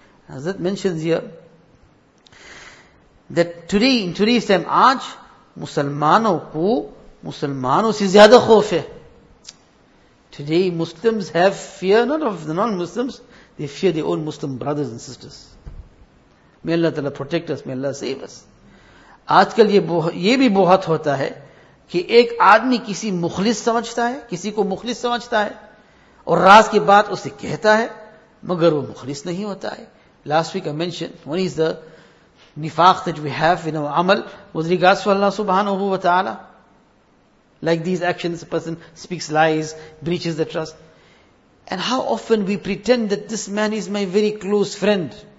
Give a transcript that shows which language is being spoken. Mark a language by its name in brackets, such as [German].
[English] As that mentions here, that today, in today's time, aaj, [Urdu] مسلمانوں کو مسلمانوں سے زیادہ خوف ہے. [English] Today Muslims have fear not of the non-Muslims, they fear their own Muslim brothers and sisters. May Allah تعالیٰ protect us, may Allah save us. [Urdu] آج کل یہ بھی بہت ہوتا ہے کہ ایک آدمی کسی مخلص سمجھتا ہے, کسی کو مخلص سمجھتا ہے, اور راز کی بات اسے کہتا ہے مگر وہ مخلص نہیں ہوتا ہے. [English] Last week I mentioned, one is the nifaq that we have in our amal with regards to Allah subhanahu wa ta'ala. Like these actions, a person speaks lies, breaches the trust. And how often we pretend that this man is my very close friend.